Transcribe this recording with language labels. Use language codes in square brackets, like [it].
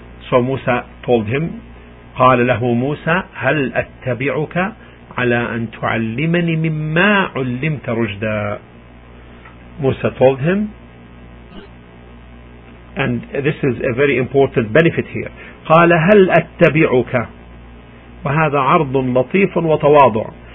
[en] So Musa told him, [ar] قال له موسى هل أتبعك على أن تعلمني مما علمت رجدا. [en] Musa told him, and this is a very important benefit here. [ar] قال هل أتبعك, وهذا عرض لطيف وتواضع.